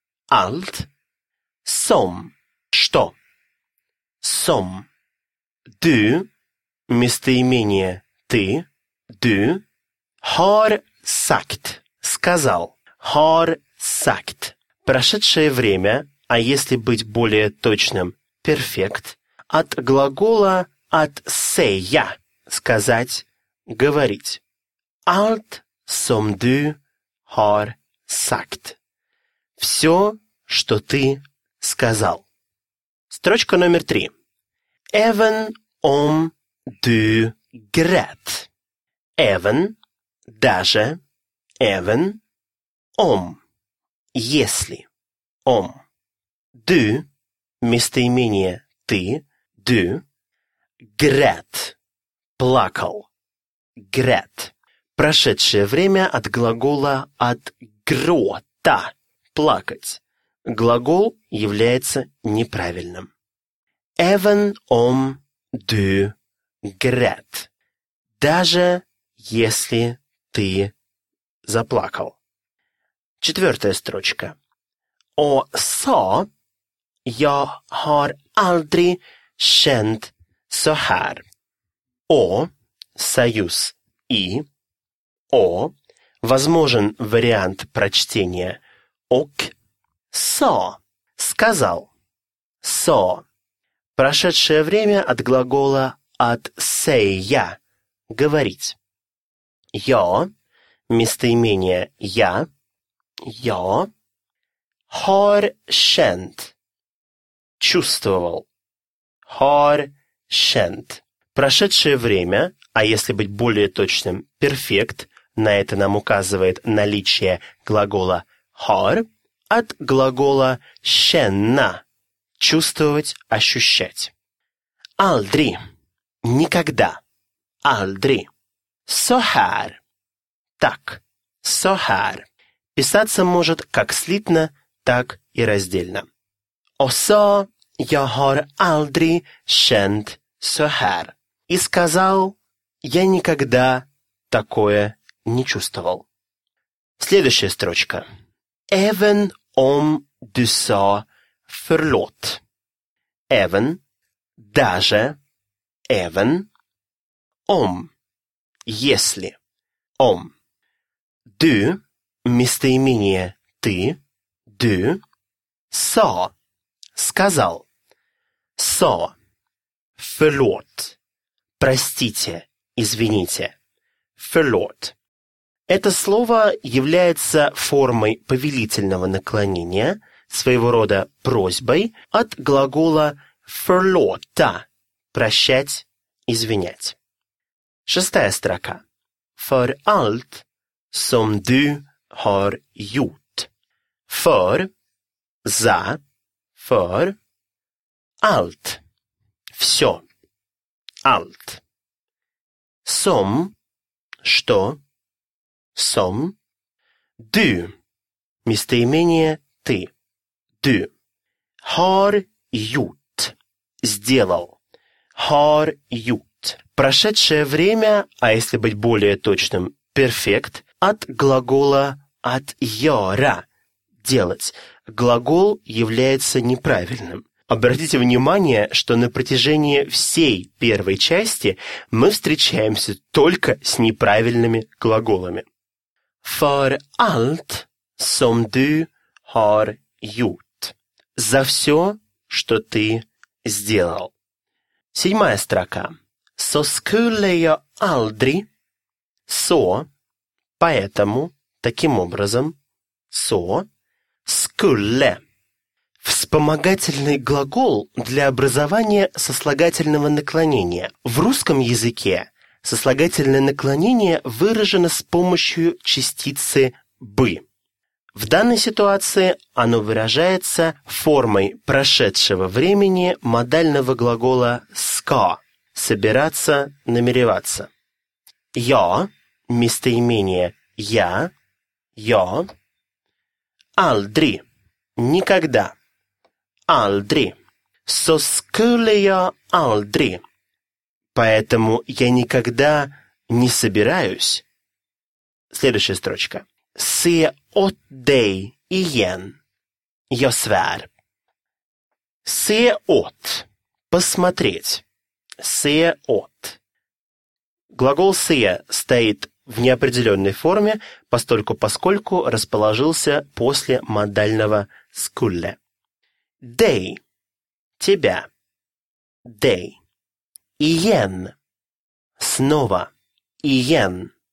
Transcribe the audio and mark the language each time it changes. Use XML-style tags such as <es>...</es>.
<sv>Allt – som – что. Som – du,</sv> <ru>местоимение «ты»,</ru> <sv>du, har sagt – сказал. Har sagt</sv> <ru>– прошедшее время, а если быть более точным – перфект, от глагола «от сея» – сказать, говорить.</ru> <sv>Alt som du har sagt –</sv> <ru>все, что ты сказал. Строчка номер три.</ru> <sv>Även om du grät.</sv> <ru>Även – даже.</ru> <sv>Även – om – если. Om.</sv> <ru>Du – местоимение «ты».</ru> <sv>Du – grät – плакал.</sv> <ru>Grät – прошедшее время от глагола «от грота» – плакать. Глагол является неправильным.</ru> <sv>Även om du grät.</sv> <ru>Даже если ты заплакал. Четвертая строчка.</ru> <sv>Och så, jag har aldrig känt så här.</sv> <ru>Och, союз и. Och, возможен вариант прочтения.</ru> <sv>Och, så, сказал. Så.</sv> <ru>Прошедшее время от глагола «от сея» – говорить. «Я» – местоимение «я». «Я» –</ru> <sv>«har känt»</sv> <ru>– чувствовал.</ru> <sv>«Har känt»</sv> <ru>– прошедшее время, а если быть более точным – перфект, на это нам указывает наличие глагола «har» от глагола «känna». Чувствовать, ощущать. Aldri – никогда.</ru> <sv>Aldri. So här – так. So här.</sv> <ru>Писаться может как слитно, так и раздельно.</ru> <sv>Och så jag har aldrig känt so här.</sv> <ru>И сказал, я никогда такое не чувствовал. Следующая строчка.</ru> <sv>Även om du sa förlåt. Även, даже, även, om, если, om. Du,</sv> <ru>местоимение «ты»,</ru> <sv>du, sa, сказал, sa, förlåt,</sv> <ru>простите, извините,</ru> <sv>förlåt.</sv> <ru>Это слово является формой повелительного наклонения, своего рода просьбой, от глагола «förlåta» – «прощать», «извинять». Шестая строка.</ru> <sv>«För allt som du har gjort». «För» – «за», «för», «allt» – «все», «allt».</sv> <ru>«Som» – «что», «som», «du» – местоимение «ты».</ru> <sv>Du har gjort – сделал. Har gjort</sv> <ru>– прошедшее время, а если быть более точным – перфект, от глагола «от göra» – делать. Глагол является неправильным. Обратите внимание, что на протяжении всей первой части мы встречаемся только с неправильными глаголами.</ru> <sv>For alt som du har gjort.</sv> <ru>За все, что ты сделал. Седьмая строка.</ru> <sv>Så skulle jag aldrig. Så. Поэтому.</sv> <ru>таким образом, со скулле. Вспомогательный глагол для образования сослагательного наклонения. В русском языке сослагательное наклонение выражено с помощью частицы «бы». В данной ситуации оно выражается формой прошедшего времени модального глагола «ска» – «собираться», «намереваться». «Я» – местоимение «я», «я», «aldri» – «никогда», «aldri»,</ru> <sv>«so skulle jag aldri»,</sv> <ru>«поэтому я никогда не собираюсь». Следующая строчка.</ru> <sv>«Se åt dig igen, jag svär». «Se åt» – посмотреть. «Se åt».</sv> <ru>Глагол «se» стоит в неопределенной форме, поскольку расположился после модального «skulle».</ru> <sv>«Dig» – тебя. «Dig». «Igen» – снова. «Igen».</sv>